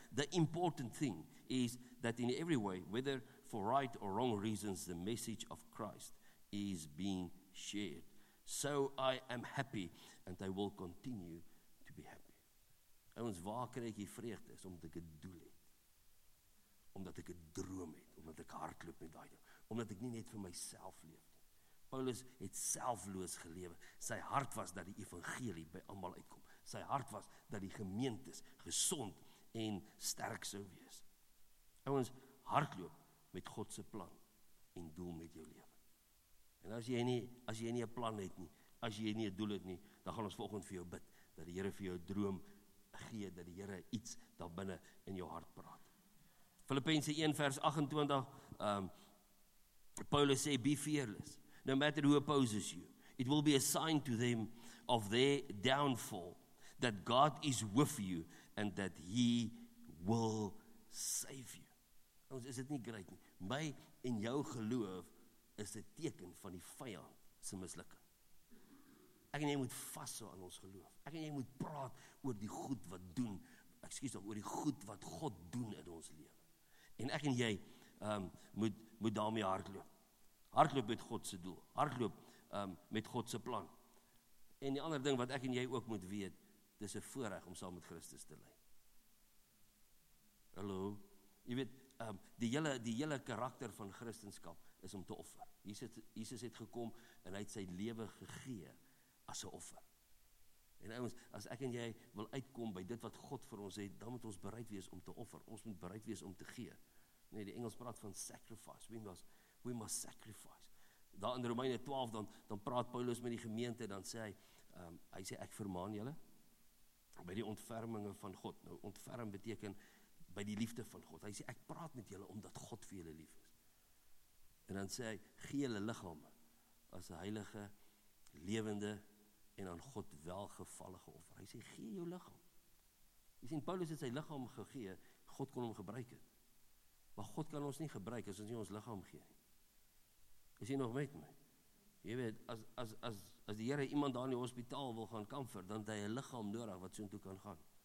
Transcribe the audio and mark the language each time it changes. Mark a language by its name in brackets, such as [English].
[English] The important thing is that in every way, whether for right or wrong reasons, the message of Christ is being shared. So I am happy and I will continue to be happy. [Afrikaans] Ons waar kry ek die vreugde is omdat ek 'n doel het. Omdat ek 'n droom het, omdat ek hardloop met daai ding, omdat ek nie net vir myself leef. Paulus het selfloos gelewe. Sy hart was dat die evangelie by almal uitkom. Sy hart was dat die gemeentes gesond en sterk sou wees. Ouens, hardloop met God se plan en doel met jou lewe. En as jy nie 'n plan het nie, as jy nie 'n doel het nie, dan gaan ons vanoggend vir jou bid dat die Here vir jou 'n droom gee, dat die Here iets daar binne in jou hart praat. Filippense 1 vers 28 Paulus sê [English] be fearless. No matter who opposes you, it will be a sign to them of their downfall that God is with you and that he will save you. [Afrikaans] Ons is dit nie great nie. My en jou geloof is 'n teken van die vyand se mislukking. Ek en jy moet vashou aan ons geloof. Ek en jy moet praat oor die goed wat doen, ekskuus tog, oor die goed wat God doen in ons lewe. En ek en jy moet daarmee hardloop. Hardloop met God se doel. Hardloop met God se plan. En die ander ding wat ek en jy ook moet weet, dis 'n voorreg om saam met Christus te ly. Hallo. Jy weet, die hele karakter van Christendom is om te offer. Jesus het gekom en hy het sy lewe gegee as 'n offer. En ouens, as ek en jy wil uitkom by dit wat God vir ons het, dan moet ons bereid wees om te offer. Ons moet bereid wees om te gee. Nee, die Engels praat van sacrifice. [English] We must sacrifice. [Afrikaans] Daar in Romeine 12, dan praat Paulus met die gemeente, dan sê hy sê, ek vermaan julle, by die ontferminge van God. Nou, ontferm beteken by die liefde van God. Hy sê, ek praat met julle, omdat God vir julle lief is. En dan sê hy, gee julle liggame, as een heilige, levende, en aan God welgevallige offer. Hy sê, gee jou liggaam. Jy sê, Paulus het sy liggaam gegee, God kon hom gebruik het. Maar God kan ons nie gebruik, as ons nie ons liggaam gee. Is jy nog met my? Jy weet, as die Here iemand daar in die hospitaal wil gaan kamfer, dan het hy 'n liggaam nodig wat so toe kan gaan.